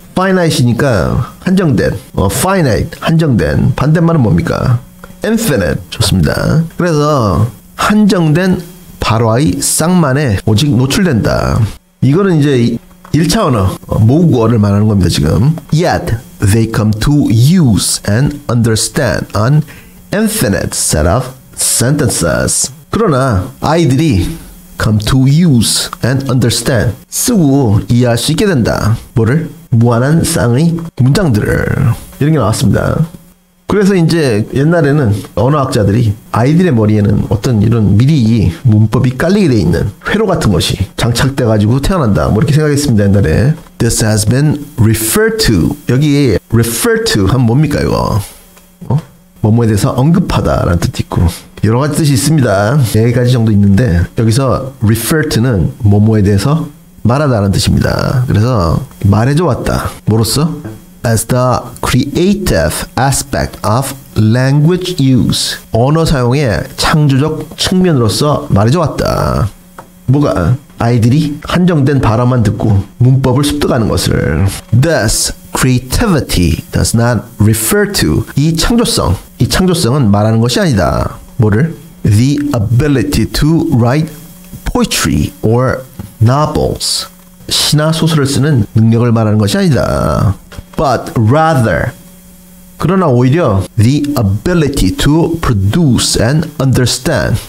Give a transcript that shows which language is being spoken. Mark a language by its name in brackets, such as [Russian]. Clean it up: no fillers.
[Korean] finite이니까 한정된. finite 한정된. 반대말은 뭡니까? infinite. 좋습니다. 그래서 한정된 발화의 쌍만에 오직 노출된다. 이거는 이제 1차 언어, 모국어를 말하는 겁니다, 지금. [English] Yet, they come to use and understand an infinite set of sentences. [Korean] 그러나 아이들이 [English] come to use and understand, [Korean] 쓰고 이해할 수 있게 된다. 뭐를? 무한한 쌍의 문장들을. 이런 게 나왔습니다. 그래서 이제 옛날에는 언어학자들이 아이들의 머리에는 어떤 이런 미리 문법이 깔리게 돼 있는 회로 같은 것이 장착돼가지고 태어난다 뭐 이렇게 생각했습니다. 옛날에 [English] This has been referred to. [Korean] 여기 [English] refer to [Korean] 하면 뭡니까 이거? 어? 뭐뭐에 대해서 언급하다 라는 뜻도 있고 여러가지 뜻이 있습니다. 4가지 정도 있는데 여기서 refer to는 뭐뭐에 대해서 말하다라는 뜻입니다. 그래서 말해줘왔다. 뭐로써? [English] As the creative aspect of language use. [Korean] 언어 사용의 창조적 측면으로서 말해줘왔다. 뭐가? 아이들이 한정된 발음만 듣고 문법을 습득하는 것을. [English] Thus, creativity does not refer to [Korean] 이 창조성. 이 창조성은 말하는 것이 아니다. 뭐를? [English] The ability to write poetry or novels. [Korean] 시나 소설을 쓰는 능력을 말하는 것이 아니다. [English] But rather, [Korean] 그러나 오히려 [English] the ability to produce and understand.